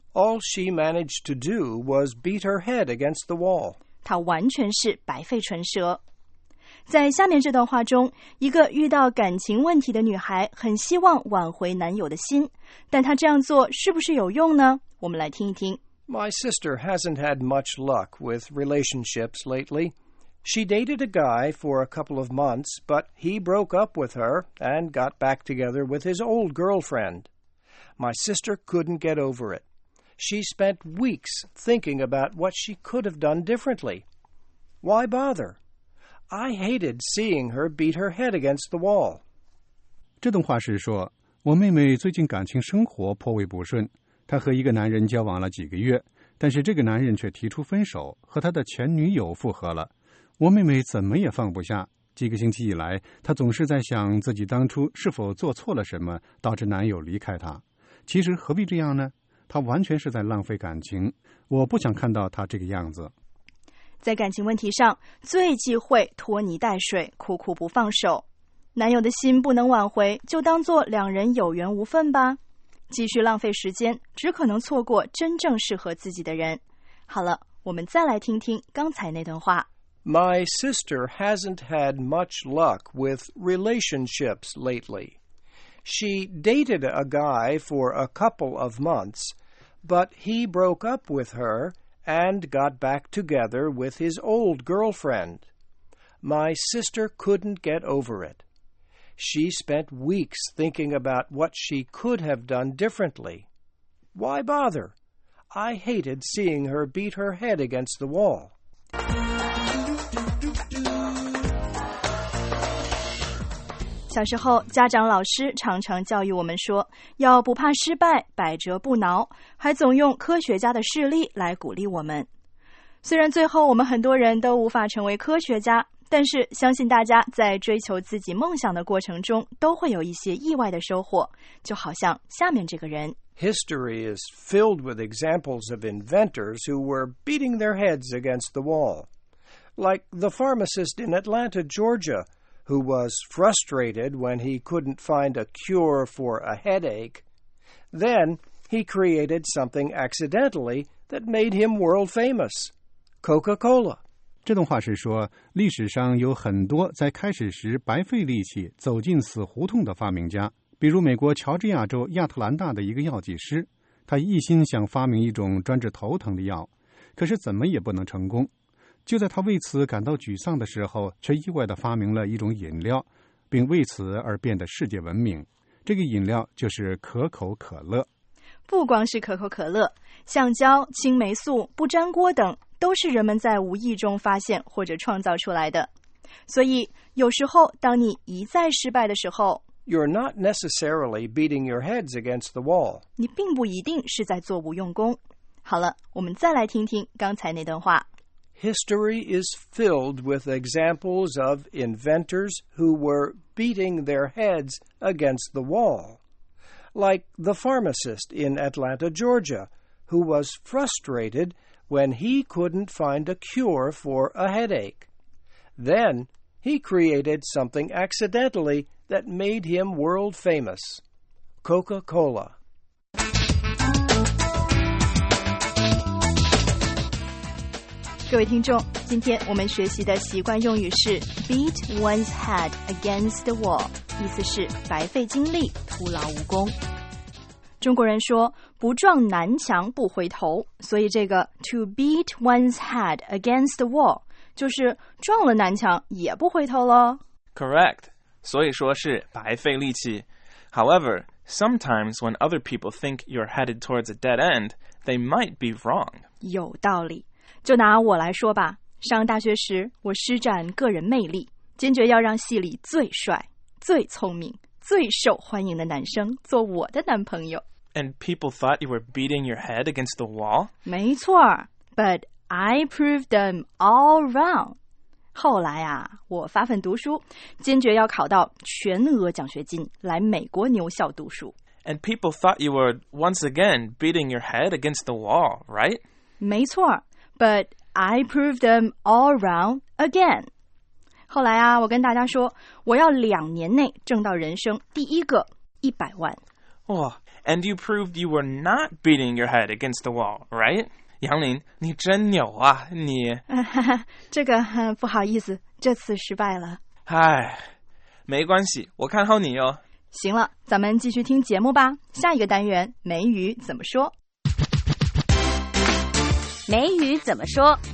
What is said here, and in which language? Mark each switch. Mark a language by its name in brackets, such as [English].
[English] All she managed to do was beat her head against the wall. [Chinese] 她完全是白费唇舌。在下面这段话中，一个遇到感情问题的女孩很希望挽回男友的心，但她这样做是不是有用呢？我们来听一听。 [English] My sister hasn't had much luck with relationships lately. She dated a guy for a couple of months, but he broke up with her and got back together with his old girlfriend. My sister couldn't get over it. She spent weeks thinking about what she could have done differently. Why bother? I hated seeing her beat her head against the wall. [Chinese] 这段话是说，我妹妹最近感情生活颇为不顺，她和一个男人交往了几个月，但是这个男人却提出分手，和她的前女友复合了。我妹妹怎么也放不下，几个星期以来，她总是在想自己当初是否做错了什么，导致男友离开她。其实何必这样呢？她完全是在浪费感情，我不想看到她这个样子。在感情问题上，最忌讳拖泥带水，苦苦不放手。男友的心不能挽回，就当做两人有缘无分吧。继续浪费时间，只可能错过真正适合自己的人。好了，我们再来听听刚才那段话。 [English] My sister hasn't had much luck with relationships lately. She dated a guy for a couple of months, but he broke up with her and got back together with his old girlfriend. My sister couldn't get over it. She spent weeks thinking about what she could have done differently. Why bother? I hated seeing her beat her head against the wall. [Chinese] 小时候，家长老师常常教育我们说，要不怕失败，百折不挠，还总用科学家的事例来鼓励我们。虽然最后我们很多人都无法成为科学家，但是相信大家在追求自己梦想的过程中都会有一些意外的收获，就好像下面这个人。 [English] History is filled with examples of inventors who were beating their heads against the wall. Like the pharmacist in Atlanta, Georgia, who was frustrated when he couldn't find a cure for a headache. Then he created something accidentally that made him world famous. Coca-Cola. [Chinese] 这段话是说，历史上有很多在开始时白费力气走进死胡同的发明家，比如美国乔治亚州亚特兰大的一个药剂师，他一心想发明一种专治头疼的药，可是怎么也不能成功。就在他为此感到沮丧的时候，却意外地发明了一种饮料，并为此而变得世界闻名。这个饮料就是可口可乐。不光是可口可乐，橡胶、青霉素、不粘锅等都是人们在无意中发现或者创造出来的。所以，有时候当你一再失败的时候 [English] You're not necessarily beating your heads against the wall. [Chinese] 你并不一定是在做无用功。好了，我们再来听听刚才那段话。 [English] History is filled with examples of inventors who were beating their heads against the wall. Like the pharmacist in Atlanta, Georgia, who was frustrated when he couldn't find a cure for a headache. Then, he created something accidentally that made him world famous. Coca-Cola. [Chinese] 各位听众，今天我们学习的习惯用语是 [English] beat one's head against the wall, [Chinese] 意思是白费精力，徒劳无功。中国人说不撞南墙不回头，所以这个 [English] to beat one's head against the wall [Chinese] 就是撞了南墙也不回头咯。 [English] Correct. [Chinese] 所以说是白费力气。 [English] However, sometimes when other people think you're headed towards a dead end, they might be wrong. [Chinese] 有道理。就拿我来说吧，上大学时我施展个人魅力，坚决要让系里最帅、最聪明、最受欢迎的男生做我的男朋友。 [English] And people thought you were beating your head against the wall? [Chinese] 没错 [English] ,but I proved them all wrong. [Chinese] 后来啊，我发奋读书，坚决要考到全额奖学金，来美国牛校读书。 [English] And people thought you were once again beating your head against the wall, right? [Chinese] 没错 [English] ,but I proved them all wrong again. [Chinese] 后来啊，我跟大家说，我要两年内挣到人生第一个100万。哇。 [English] And you proved you were not beating your head against the wall, right? [Chinese] 杨林，你真牛啊，你。这个，不好意思，这次失败了。唉，没关系，我看好你哦。行了，咱们继续听节目吧。下一个单元，美语怎么说？美语怎么说？